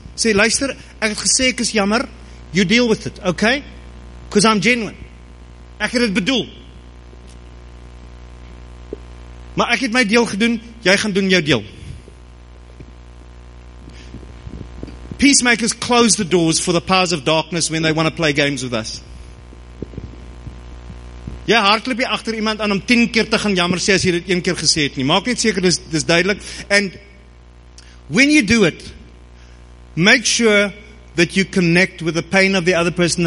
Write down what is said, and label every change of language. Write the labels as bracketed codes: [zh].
[af] Sê, luister, ek het gesê ek is jammer, [en] you deal with it, okay? Because I'm genuine. [af] Ek het dit bedoel. Maar ek het my deel gedoen, jy gaan doen jou deel. [en] Peacemakers close the doors for the powers of darkness when they want to play games with us. [af] Jy hardloop jy achter iemand aan om 10 keer te gaan jammer sê as jy dit 1 keer gesê het nie. Maak net seker, dis duidelik. [en] And when you do it, make sure that you connect with the pain of the other person.